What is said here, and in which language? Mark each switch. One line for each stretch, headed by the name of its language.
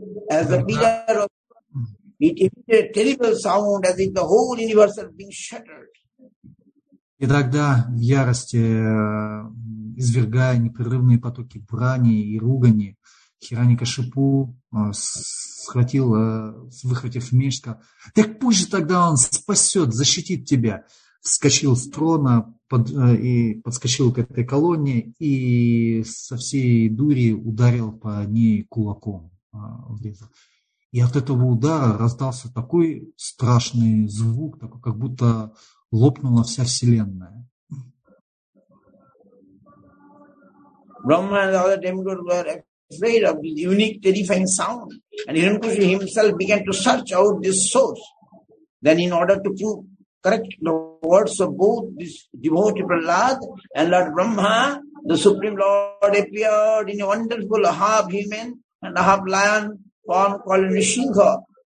English: As the pillar of it emitted a terrible sound as if the whole universe had been shattered.
Russian: И тогда в ярости, извергая непрерывные потоки брани и ругани, Хиранья-Кашипу схватил, выхватив меч, сказал, так пусть же тогда он спасет, защитит тебя. Вскочил с трона и подскочил к этой колонне и со всей дури ударил по ней кулаком. И от этого удара раздался такой страшный звук, такой, как будто лопнула вся вселенная.
English: Brahma and other demigods were afraid of this unique, terrifying sound, and Hiranyakashipu himself began to search out this source. Then, in order to prove correct the words of both this devotee Prahlad and Lord Brahma, the Supreme Lord appeared in a wonderful half human and half lion form called Nrisingha.